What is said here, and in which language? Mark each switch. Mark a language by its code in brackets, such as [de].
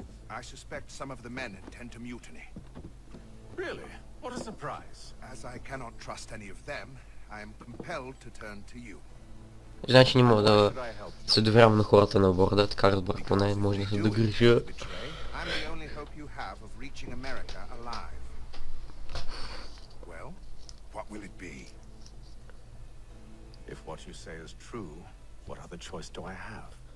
[en] I suspect some of the men intend to mutiny. Really? What a surprise. As I cannot trust any of them, I am compelled to turn to you. [bg] Значи не мога да се доверявам на хората на борда, така разбрах поне, може да се догрижа. [en] I'm the only hope you have of reaching America alive. Well, what will it be? If what you say is true, what other choice do I have?